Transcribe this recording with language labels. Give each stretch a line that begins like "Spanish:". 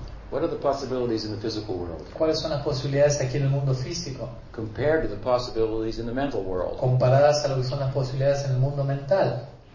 English: What are the possibilities in the physical world?
Spanish: ¿Cuáles son las posibilidades aquí en el mundo físico?
English: Compared to the possibilities in the mental world.
Spanish: Comparadas a lo que son las posibilidades en el mundo mental.